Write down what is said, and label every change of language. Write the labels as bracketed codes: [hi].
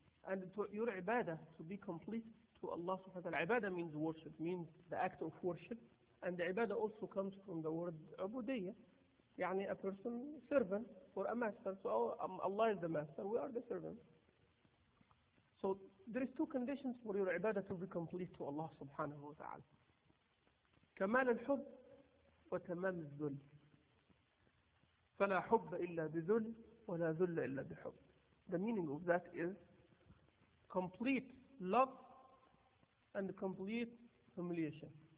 [en] And your ibadah, to be complete to Allah subhanahu wa ta'ala, ibadah means worship, means the act of worship. And the ibadah also comes from the word ubudiyyah, يعني a person, servant, or a master. So Allah is the master, we are the servant. So there is two conditions for your ibadah to be complete to Allah subhanahu wa ta'ala. [ar] كمال الحب وتمام الذل فلا حب إلا بذل ولا ذل إلا بحب. [en] The meaning of that is complete love and complete humiliation.